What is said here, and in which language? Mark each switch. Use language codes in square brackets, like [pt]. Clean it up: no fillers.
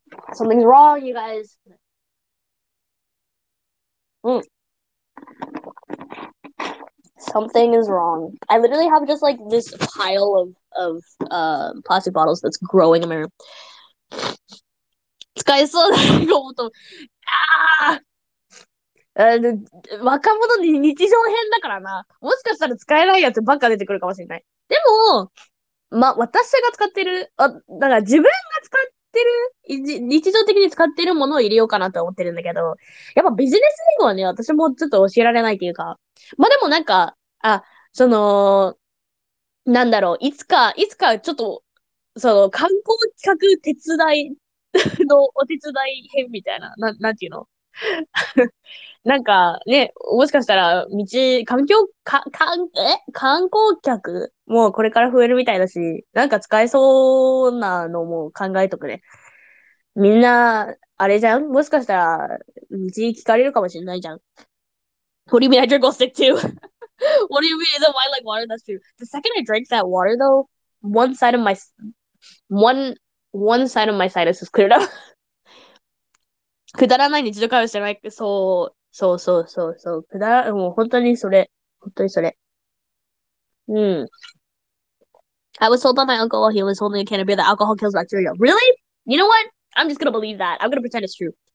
[en] Something's wrong, you guys. Something is wrong. I literally have just like this pile of plastic bottles that's growing in my room. [ja] えそうだなと思うと、若者に日常編だからな。もしかしたら使えないやつばっか出てくるかもしれない。でも、私が使ってる、だから自分が使ってる、日常的に使ってるものを入れようかなと思ってるんだけど、やっぱビジネス英語はね、私もちょっと教えられないっていうか。まあ、でもなんか、なんだろう、いつかちょっと、その、観光企画手伝いのお手伝い編みたいな、なんていうのなんかね、もしかしたら道、観光客もこれから増えるみたいだし、なんか使えそうなのも考えとくね。みんな、あれじゃん、もしかしたら道聞かれるかもしれないじゃん。 [en] What do you mean I drink all stick too? What do you mean? Is that why I like water? That's true. The second I drank that water though, one side of my sinus is cleared up. [ja] くだらない日常会話してない。そう。くだら、もう本当にそれ。本当にそれ。うん。 [en] I was told by my uncle while he was holding a can of beer that alcohol kills bacteria. Really? You know what? I'm just gonna believe that. I'm gonna pretend it's true.